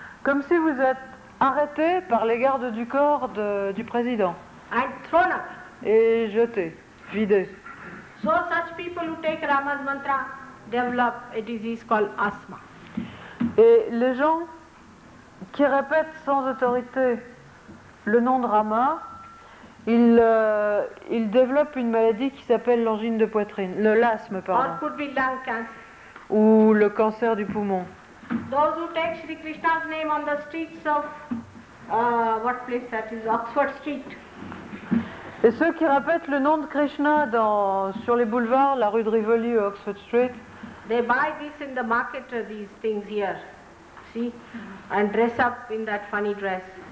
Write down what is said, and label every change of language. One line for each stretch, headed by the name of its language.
French: Comme si vous êtes arrêté par les gardes du corps du président.
English: And thrown up.
French: Et jeté, vidé.
English: So such people who take Rama's mantra develop a disease called asthma.
French: Et les gens qui répètent sans autorité le nom de Rama, il développe une maladie qui s'appelle l'angine de poitrine, l'asthme, pardon.
English: Or could be lung cancer.
French: Ou le cancer du poumon.
English: Those who take Sri Krishna's name on the streets of what place that is, Oxford Street.
French: Et ceux qui répètent le nom de Krishna sur les boulevards, la rue de Rivoli, Oxford Street.
English: They buy this in the market, these things here, see, and dress up in that funny dress.